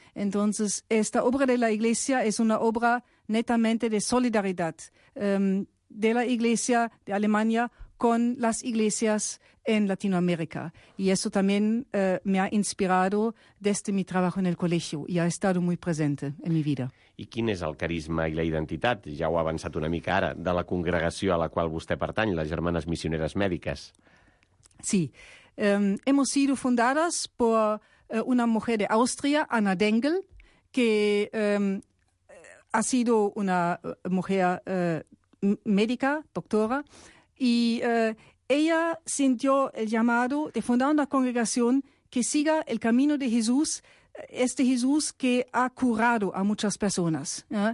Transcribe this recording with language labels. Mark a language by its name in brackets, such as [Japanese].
[Spanish] Entonces, esta obra de la Iglesia es una obra netamente de solidaridad de la Iglesia de Alemania con las iglesias en Latinoamérica. Y eso también me ha inspirado desde mi trabajo en el colegio y ha estado muy presente en mi vida. [Catalan] I quin és el carisma i la identitat, ja ho ha avançat una mica ara, de la congregació a la qual vostè pertany, les Germanes Missioneres Mèdiques? [Spanish] Sí, hemos sido fundadas por una mujer de Austria, Anna Dengel, que ha sido una mujer médica, doctora, y ella sintió el llamado de fundar una congregación que siga el camino de Jesús, este Jesús que ha curado a muchas personas.